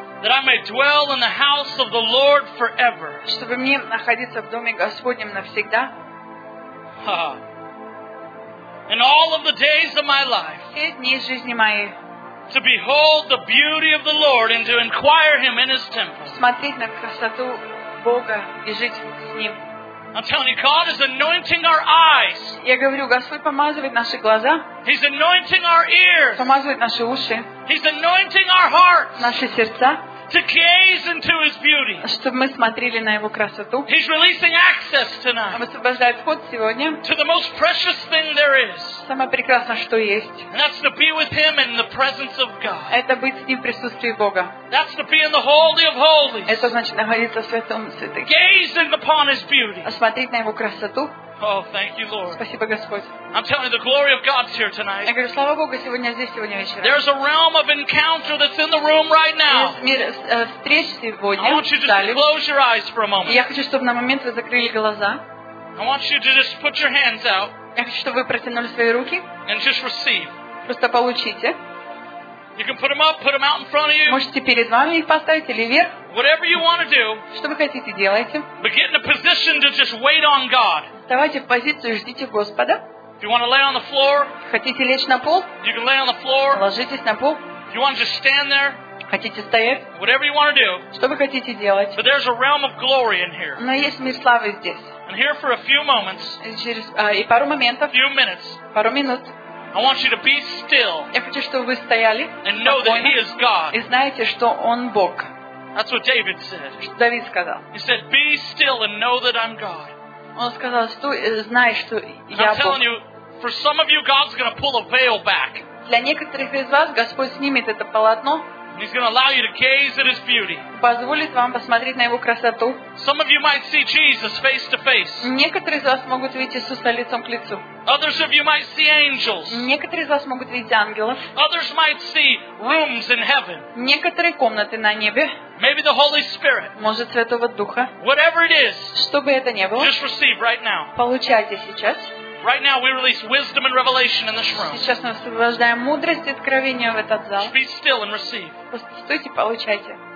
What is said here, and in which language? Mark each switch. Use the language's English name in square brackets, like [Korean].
[English] That I may dwell in the house of the Lord forever. [Russian] Чтобы мне находиться в доме Господнем навсегда. [English] In all of the days of my life. [Russian] Все дни жизни моей. [English] To behold the beauty of the Lord and to inquire Him in His temple. [Russian] Смотреть на красоту Бога и жить с Ним. [English] I'm telling you, God is anointing our eyes. [Russian] Я говорю, Господь помазывает наши глаза. [English] He's anointing our ears. [Russian] Помазывает наши уши. [English] He's anointing our hearts. [Russian] Наши сердца. [English] to gaze into his beauty. [Russian] Чтобы мы смотрели на его красоту. [English] He's releasing access tonight. [Russian] Он освобождает вход сегодня. [English] To the most precious thing there is. [Russian] Самое прекрасное, что есть. [English] And that's to be with him in the presence of God. [Russian] Это быть с ним в присутствии Бога. [English] That's to be in the holy of holies. [Russian] Это значит находиться в святом святых. [English] Gazing upon his beauty. [Russian] Осмотреть на его красоту. [English] Oh, thank you, Lord. [Russian] Спасибо, Господь. [English] I'm telling you, the glory of God's here tonight. [Russian] Я говорю, слава Богу, сегодня здесь, сегодня вечером. [English] There's a realm of encounter that's in the room right now. [Russian] Есть мир встреч сегодня. [English] I want you to just close your eyes for a moment. [Russian] Я хочу, чтобы на момент вы закрыли глаза. [English] I want you to just put your hands out. [Russian] Я хочу, чтобы вы протянули свои руки. [English] And just receive. [Russian] Просто получите. [English] You can put them up, put them out in front of you. [Russian] Можете перед вами их поставить или вверх. [English] Whatever you want to do. [Russian] Что вы хотите, делайте. [English] But get in a position to just wait on God. [Russian] Вставайте в позицию и ждите Господа. [English] If you want to lay on the floor. [Russian] Хотите лечь на пол? [English] You can lay on the floor. [Russian] Ложитесь на пол. [English] If you want to just stand there. [Russian] Хотите стоять? [English] Whatever you want to do. [Russian] Что вы хотите делать? [English] But there's a realm of glory in here. [Russian] Но есть мир славы здесь. [English] And here for a few moments. [Russian] И пару моментов. [English] Few minutes. [Russian] Пару минут. [English] I want you to be still. [Russian] Я хочу, чтобы вы стояли. [English] And know that He is God. [Russian] И знаете, что Он Бог. [English] That's what David said. [Russian] Что Давид сказал. [English] He said, "Be still and know that I'm God." [Russian] Он сказал, знай, что я Бог. [English] I'm telling you, for some of you, God's going to pull a veil back. [Russian] Для некоторых из вас Господь снимет это полотно. [English] He's going to allow you to gaze at His beauty. [Russian] Позволит вам посмотреть на Его красоту. [English] Some of you might see Jesus face to face. [Russian] Некоторые из вас могут видеть Иисуса лицом к лицу. [English] Others of you might see angels. [Russian] Некоторые из вас могут видеть ангелов. [English] Others might see rooms in heaven. [Russian] Некоторые комнаты на небе. [English] Maybe the Holy Spirit. [Russian] Может, Святого Духа. [English] Whatever it is. [Russian] Что бы это ни было. [English] Just receive right now. [Russian] Получайте сейчас. [English] Right now we release wisdom and revelation in this room. [Russian] Сейчас мы освобождаем мудрость и откровение в этот зал. [English] Be still and receive. [Russian] Просто стойте, получайте.